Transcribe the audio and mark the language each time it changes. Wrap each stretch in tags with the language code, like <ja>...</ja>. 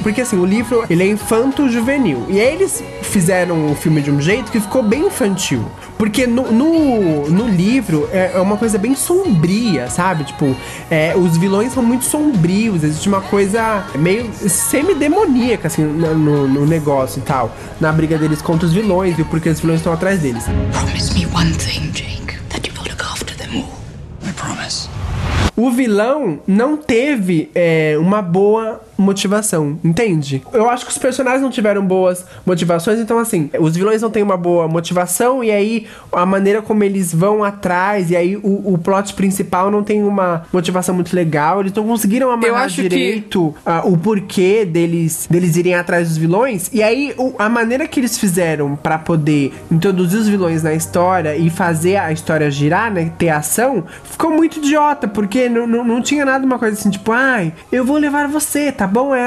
<pt>Porque assim, o livro, ele é infanto-juvenil. E aí eles fizeram o filme de um jeito que ficou bem infantil. Porque no livro é uma coisa bem sombria, sabe? Tipo, os vilões são muito sombrios. Existe uma coisa meio semidemoníaca, assim, no negócio e tal. Na briga deles contra os vilões e o porquê os vilões estão atrás deles.</pt> <en>Promise me one thing, Jake. That you will look after them all. I promise.</en> <pt>O vilão não teve uma boa motivação, entende? Eu acho que os personagens não tiveram boas motivações, então assim, os vilões não têm uma boa motivação e aí a maneira como eles vão atrás e aí o plot principal não tem uma motivação muito legal, eles não conseguiram amarrar direito o porquê deles irem atrás dos vilões, e aí a maneira que eles fizeram pra poder introduzir os vilões na história e fazer a história girar, né, ter ação, ficou muito idiota, porque não tinha nada, uma coisa assim, tipo, ai, eu vou levar você, tá bom?</pt>